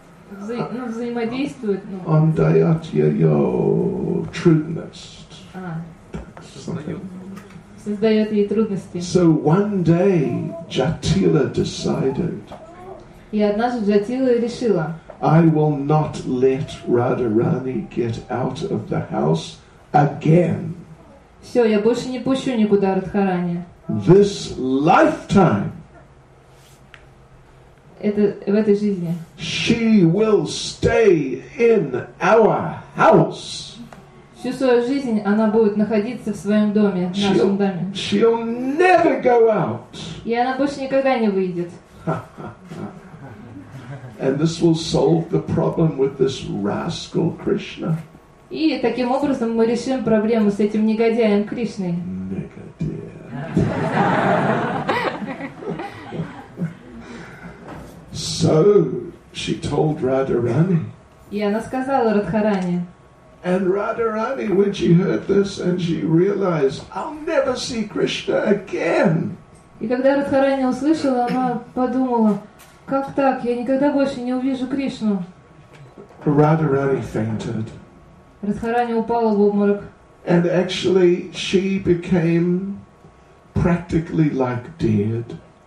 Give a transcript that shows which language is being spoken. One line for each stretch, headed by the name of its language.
Russian: Взаимодействует, но... Он дает ее трудность.
English: Something.
Russian: создает ей трудности.
English: So one day Jatila decided.
Russian: И однажды Джатила решила.
English: I will not let Radharani get out of the house again.
Russian: Все, я больше не пущу никуда Радхарани.
English: This lifetime.
Russian: Это в этой жизни.
English: She will stay in our house.
Russian: Всю свою жизнь она будет находиться в своем доме, в нашем доме.
English: She'll never go out.
Russian: И она больше никогда не выйдет.
English: And this will solve the problem with this rascal Krishna.
Russian: И таким образом мы решим проблему с этим негодяем Кришной.
English: Negative. So she told Radharani.
Russian: И она сказала Радхарани.
English: And Radharani, when she heard this, and she realized, I'll never see Krishna again.
Russian: И когда Радхарани услышала, она подумала. Как так? Я никогда больше не увижу Кришну.
English: Radharani fainted.
Russian: Радхарани упала в обморок.
English: And actually she became practically like dead.